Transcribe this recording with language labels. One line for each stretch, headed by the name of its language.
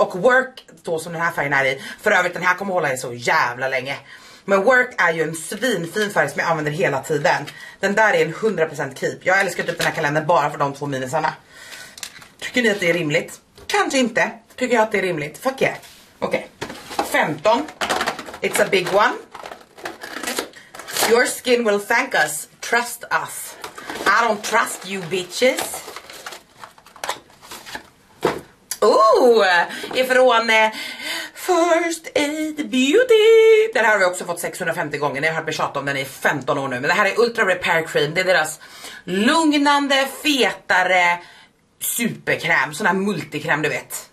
Swedish: Och work då som den här färgen är i. För övrigt den här kommer hålla i så jävla länge. Men work är ju en svinfin färg som jag använder hela tiden. Den där är en 100% keep. Jag älskar typ den här kalendern bara för de två minisarna. Tycker ni att det är rimligt? Kanske inte. Tycker jag att det är rimligt,
English: fuck yeah. Okej, 15. It's a big one. Your skin will thank us, trust us. I don't trust you bitches.
Swedish: Ooh, ifrån First Aid Beauty. Den här har vi också fått 650 gånger, ni har hört mig tjata om den i 15 år nu. Men det här är Ultra Repair Cream, det är deras lugnande, fetare superkräm, sån här multikräm du vet.